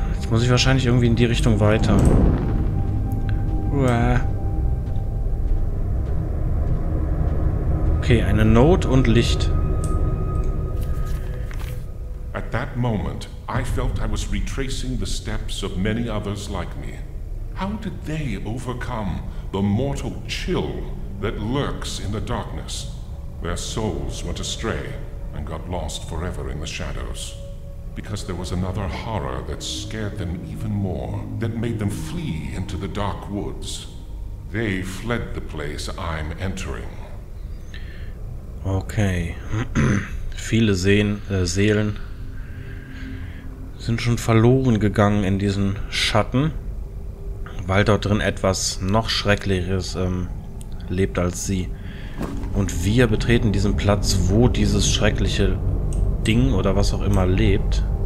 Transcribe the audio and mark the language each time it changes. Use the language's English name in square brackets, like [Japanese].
[German] muss ich wahrscheinlich irgendwie in die Richtung weiter. Uah. Okay, eine Note und Licht. [English] At that moment, I felt I was retracing the steps of many others like me. How did they overcome the mortal chill that lurks in the darkness? Their souls went astray and got lost forever in the shadows. Because there was another horror that scared them even more, that made them flee into the dark woods. They fled the place I'm entering. Okay. [German] Viele Seelen sind schon verloren gegangen in diesen Schatten, weil dort drin etwas noch Schrecklicheres lebt als sie. Und wir betreten diesen Platz, wo dieses schreckliche Ding oder was auch immer lebt.